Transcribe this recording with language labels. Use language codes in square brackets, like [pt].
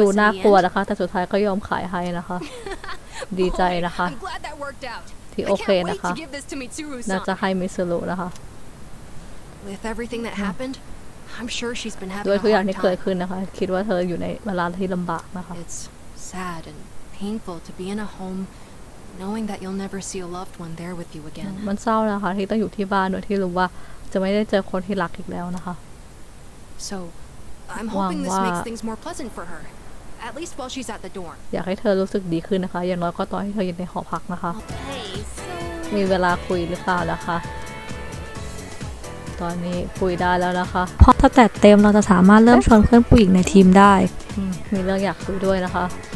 [th] ดูน่ากลัวนะคะแต่สุดท้ายก็ยอมขายให้นะคะดีใจนะคะ [en] I'm glad that worked out. [th] ที่โอเคนะคะ [en] I can't wait to give this to Mitsuru-san. [th] น่าจะให้มิซูรุนะคะ [en] With everything that happened, I'm sure she's been having a hard time. [th] ด้วยทุกอย่างที่เกิดขึ้นนะคะคิดว่าเธออยู่ในเวลาที่ลำบากนะคะ [en] It's sad and painful to be in a homeKnowing that you'll never see a loved one there with you again. [th] มันเศร้านะคะที่ต้องอยู่ที่บ้านโดยที่รู้ว่าจะไม่ได้เจอคนที่รักอีกแล้วนะคะ [en] So, I'm hoping this makes things more pleasant for her. At least while she's at the dorm. [th] อยากให้เธอรู้สึกดีขึ้นนะคะอย่างน้อยก็ตอนที่เธออยู่ในหอพักนะคะ [en] Okay, so... [th] มีเวลาคุยหรือเปล่านะคะตอนนี้คุยได้แล้วนะคะ เพราะถ้าแต่เต็มเราจะสามารถเริ่มชวนเพื่อนผู้หญิงในทีมได้มีเรื่องอยากคุยด้วยนะคะ